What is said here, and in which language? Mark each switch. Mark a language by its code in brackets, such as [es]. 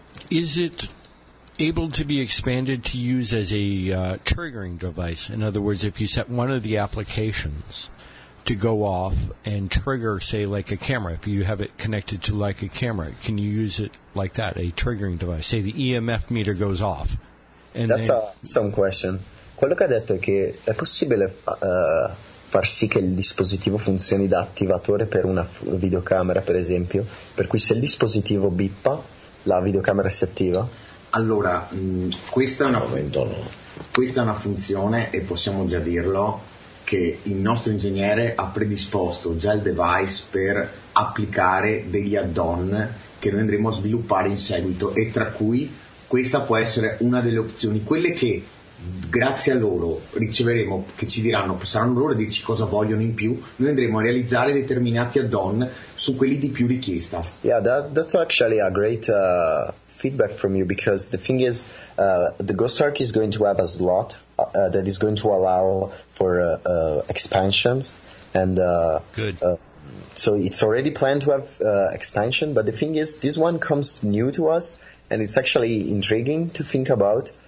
[en] Is it able to be expanded to use as a triggering device? In other words, if you set one of the applications to go off and trigger, say, like a camera, if you have it connected to like a camera, can you use it like that, a triggering device? Say the EMF meter goes off. And that's an awesome question. [it] Quello che ha detto è che è possibile far sì che il dispositivo funzioni da attivatore per una videocamera, per esempio, per cui se il dispositivo bippa, la videocamera si attiva? Allora, questa è una funzione, e possiamo già dirlo, che il nostro ingegnere ha predisposto già il device per applicare degli add-on che noi andremo a sviluppare in seguito, e tra cui questa può essere una delle opzioni, quelle che grazie a loro riceveremo, che ci diranno, saranno loro a dirci cosa vogliono in più, noi andremo a realizzare determinati add-on su quelli di più richiesta. [en] Yeah, that's actually a great feedback from you, because the thing is, the GhostArk is going to have a slot that is going to allow for expansions, and good. So it's already planned to have expansion, but the thing is, this one comes new to us, and it's actually intriguing to think about.